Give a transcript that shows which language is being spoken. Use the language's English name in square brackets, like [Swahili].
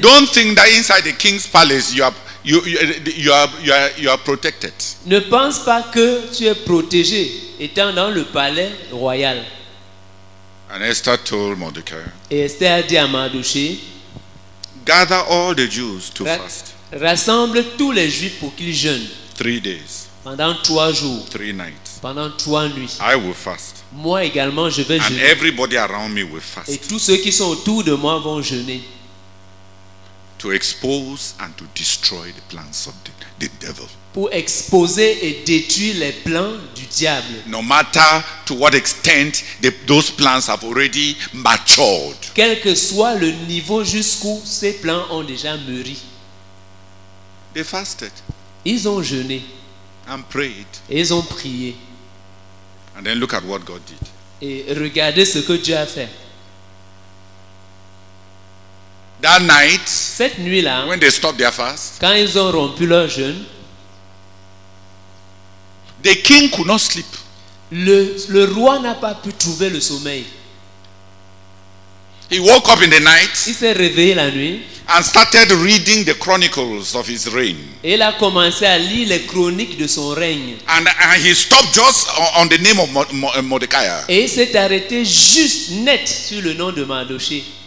[English] Don't think that inside the king's palace you are protected. [French] Ne pense pas que tu es protégé étant dans le palais royal. [English] And Esther told Mordecai. [French] Et Esther a dit à Mardoché. [English] Gather all the Jews to fast. [French] Rassemble tous les Juifs pour qu'ils jeûnent. [English] 3 days. [French] Pendant 3 jours. [English] 3 nights. [French] Pendant 3 nuits. [English] I will fast. [French] Moi également, je vais jeûner. [English] And everybody around me will fast. [French] Et tous ceux qui sont autour de moi vont jeûner. [English] To expose and to destroy the plans of the devil. [French] Pour exposer et détruire les plans du diable. [English] No matter to what extent those plans have already matured. [French] Quel que soit le niveau jusqu'où ces plans ont déjà mûri. [English] They fasted. [French] Ils ont jeûné. [English] And prayed. [French] Et ils ont prié. [English] And then look at what God did. [French] Et regardez ce que Dieu a fait. [English] That night, [French] cette nuit-là, [English] when they stopped their fast, [French] quand ils ont rompu leur jeûne, [English] the king could not sleep. [French] Le roi n'a pas pu trouver le sommeil. [English] He woke up in the night. [French] Il s'est réveillé la nuit. [English] And started reading the chronicles of his reign. [French] Et il a commencé à lire les chroniques de son règne. [English] And he stopped just on the name of Mordecai. [French] Et il s'est arrêté juste net sur le nom de Mardoché.